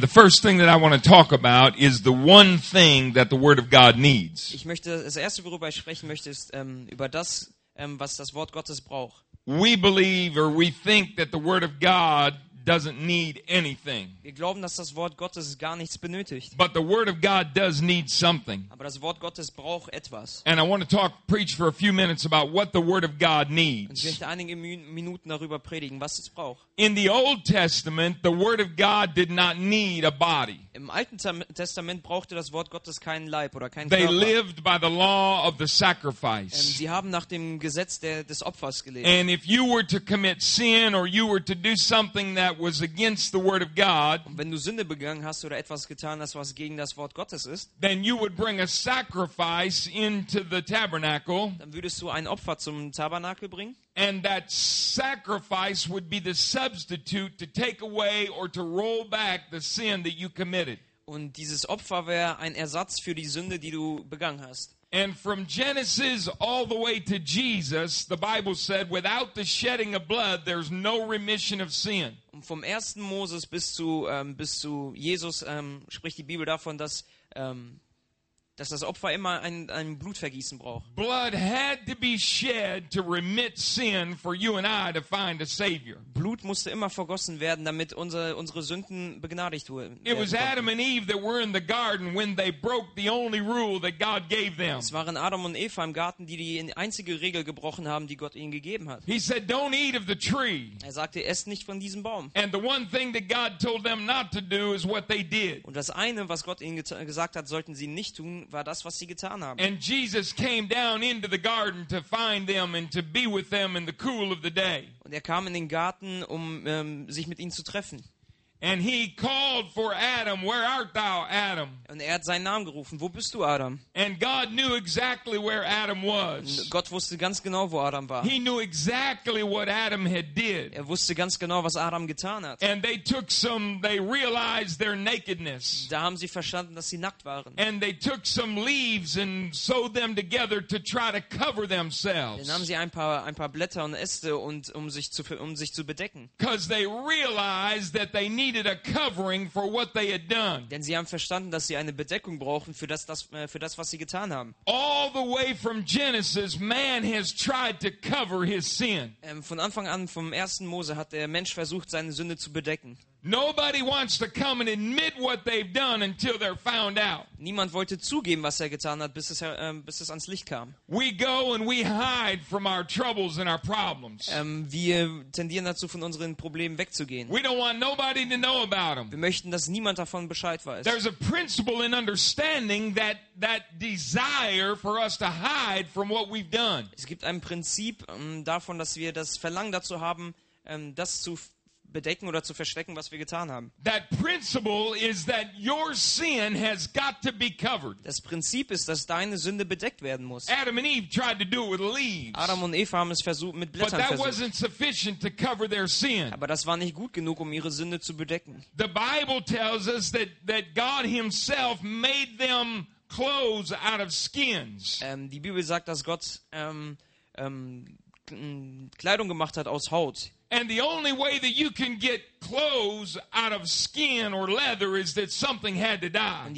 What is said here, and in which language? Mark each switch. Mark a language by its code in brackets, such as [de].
[en] The first thing that I want to talk about is the one thing that the Word of God needs. [de] Ich möchte, das erste, worüber ich sprechen möchte, ist über das, was das Wort Gottes braucht. [en] We believe or we think that the Word of God doesn't need anything. [de] Wir glauben, dass das Wort Gottes gar nichts benötigt. [en] But the Word of God does need something. [de] Aber das Wort Gottes braucht etwas. [en] And I want to preach for a few minutes about what the Word of God needs. [de] Und ich möchte einige Minuten darüber predigen, was es braucht. [en] In the Old Testament, the Word of God did not need a body. [de] Im Alten Testament brauchte das Wort Gottes keinen Leib oder keinen [en] They They lived by the law of the sacrifice. [de] Sie haben nach dem Gesetz des Opfers gelebt. [en] And if you were to commit sin or you were to do something that was against the Word of God, [de] und wenn du Sünde begangen hast oder etwas getan hast, was gegen das Wort Gottes ist, [en] then you would bring a sacrifice into the tabernacle, [de] dann würdest du ein Opfer zum Tabernakel bringen. [en] And that sacrifice would be the substitute to take away or to roll back the sin that you committed. [de] Und dieses Opfer wäre ein Ersatz für die Sünde, die du begangen hast. [en] And from Genesis all the way to Jesus, the Bible said, without the shedding of blood, there's no remission of sin. [de] Und vom ersten Moses bis zu Jesus spricht die Bibel davon, dass das Opfer immer ein Blutvergießen braucht. [en] Blood had to be shed to remit sin for you and I to find a savior. [de] Blut musste immer vergossen werden, damit unsere Sünden begnadigt wurden. [en] It was Adam and Eve that were in the garden when they broke the only rule that God gave them. [de] Es waren Adam und Eva im Garten, die einzige Regel gebrochen haben, die Gott ihnen gegeben hat. [en] He said, "Don't eat of the tree." [de] Er sagte, esst nicht von diesem Baum. [en] And the one thing that God told them not to do is what they did. [de] Und das eine, was Gott ihnen gesagt hat, sollten sie nicht tun, war das, was sie getan haben. [en] And Jesus came down into the garden to find them and to be with them in the cool of the day. [de] Und kam in den Garten, sich mit ihnen zu treffen. [en] And he called for Adam, "Where art thou, Adam?" [de] Und hat seinen Namen gerufen, "Wo bist du, Adam?" [en] And God knew exactly where Adam was. [de] Und Gott wusste ganz genau, wo Adam war. [en] He knew exactly what Adam had did. [de] Wusste ganz genau, was Adam getan hat. [en] And they realized their nakedness. [de] Da haben sie verstanden, dass sie nackt waren. [en] And they took some leaves and sewed them together to try to cover themselves. [de] Dann nahmen sie ein paar Blätter und Äste und um sich zu bedecken. [en] Because they realized that they needed a covering for what they had done. [de] Denn sie haben verstanden, dass sie eine Bedeckung brauchen für das, was sie getan haben. [en] All the way from Genesis, man has tried to cover his sin. [de] Von Anfang an, vom ersten Mose, hat der Mensch versucht, seine Sünde zu bedecken. [en] Nobody wants to come and admit what they've done until they're found out. [de] Niemand wollte zugeben, was er getan hat, bis es ans Licht kam. [en] We go and we hide from our troubles and our problems. [de] Wir tendieren dazu, von unseren Problemen wegzugehen. [en] We don't want nobody to know about them. [de] Wir möchten, dass niemand davon Bescheid weiß. [en] There's a principle in understanding that desire for us to hide from what we've done. [de] Es gibt ein Prinzip davon, dass wir das Verlangen dazu haben, das zu bedecken oder zu verstecken, was wir getan haben. [en] That principle is that your sin has got to be covered. [de] Das Prinzip ist, dass deine Sünde bedeckt werden muss. [en] Adam and Eve tried to do it with leaves. [de] Adam und Eva haben es versucht mit Blättern. [en] But that wasn't sufficient to cover their sin. [de] Aber das war nicht gut genug, um ihre Sünde zu bedecken. [en] The Bible tells us that God himself made them clothes out of skins. [de] Die Bibel sagt, dass Gott Kleidung gemacht hat aus Haut. [en] And the only way that you can get clothes out of skin or leather is that something had to die.